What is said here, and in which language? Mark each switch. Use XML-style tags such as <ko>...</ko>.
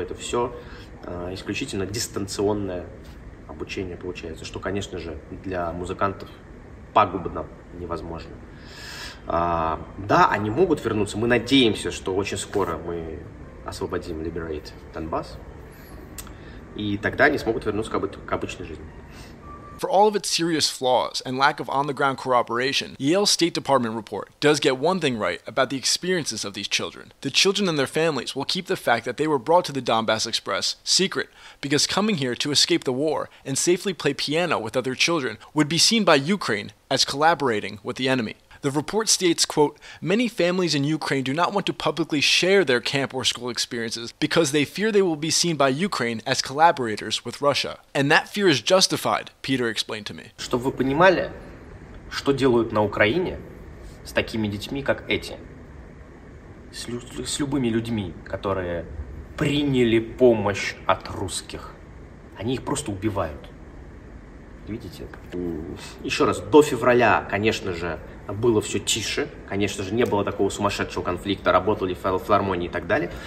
<ru>Это все исключительно дистанционное обучение получается, что, конечно же, для музыкантов пагубно, невозможно. Да, они могут вернуться. Мы надеемся, что очень скоро мы освободим Liberate Донбасс. И тогда они смогут вернуться к обычной жизни.</ru> <en>For all of its serious flaws and lack of on-the-ground cooperation, Yale's State Department report does get one thing right about the experiences of these children. The children and their families will keep the fact that they were brought to the Donbass Express secret, because coming here to escape the war and safely play piano with other children would be seen by Ukraine as collaborating with the enemy. The report states, quote, many families in Ukraine do not want to publicly share their camp or school experiences because they fear they will be seen by Ukraine as collaborators with Russia. And that fear is justified, Peter explained to me.</en> <ru>Чтобы вы понимали, что делают на Украине с такими детьми, как эти, с любыми людьми, которые приняли помощь от русских. Они их просто убивают. Видите? Еще раз, до февраля, конечно же, было все тише, конечно же, не было такого сумасшедшего конфликта, работали в филармонии и так далее.</ru>